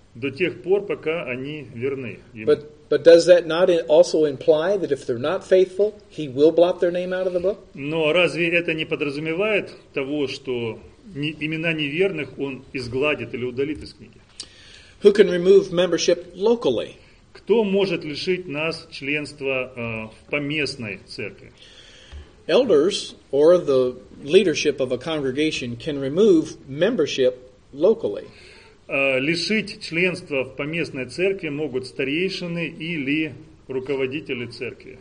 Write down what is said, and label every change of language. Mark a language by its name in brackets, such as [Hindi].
[Russian] До тех пор, пока они верны ему. [English] But does that not also imply that if they're not faithful, he will blot their name out of the book? [Russian] Но разве это не подразумевает того, что имена неверных он изгладит или удалит из книги? [English] Who can remove membership locally? [Russian] Кто может лишить нас членства в поместной церкви? [English] Elders or the leadership of a congregation can remove membership locally. [Russian] Лишить членства в поместной церкви могут старейшины или руководители церкви.